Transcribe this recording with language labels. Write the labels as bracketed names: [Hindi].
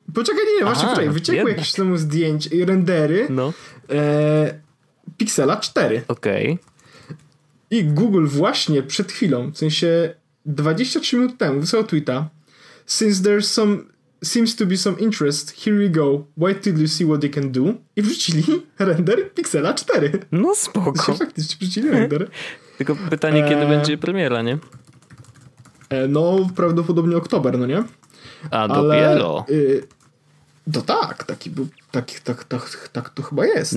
[Polish] Poczekaj, nie, właśnie wczoraj. Wyciekły jakieś systemu zdjęć i rendery. No. Pixela 4. Okej. [English] Okay. [Polish] I Google właśnie przed chwilą, w sensie 23 minut temu, wysłał tweeta. [English] Seems to be some interest, here we go. Wait till you see what you can do. [Polish] I wrzucili render Pixela 4. No spoko. Faktycznie wrzucili render. Tylko pytanie, kiedy będzie premiera, nie? No, prawdopodobnie oktober, no nie? A dopiero. No tak, taki był, tak to chyba jest.